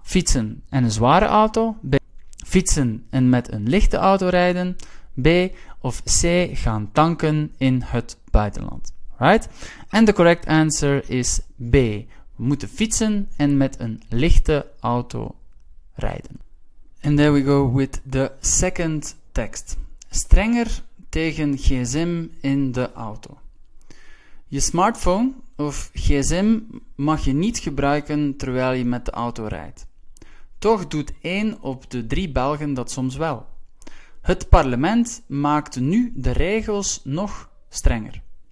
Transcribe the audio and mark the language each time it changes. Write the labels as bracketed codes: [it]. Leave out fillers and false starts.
[nl] Fietsen en een zware auto. B. Fietsen en met een lichte auto rijden. B. Of C. Gaan tanken in het buitenland. [en] Right? And the correct answer is B. [nl] We moeten fietsen en met een lichte auto rijden. [en] And there we go with the second text. [nl] Strenger tegen gsm in de auto. Je smartphone of gsm mag je niet gebruiken terwijl je met de auto rijdt. Toch doet 1 op de 3 Belgen dat soms wel. Het parlement maakt nu de regels nog strenger.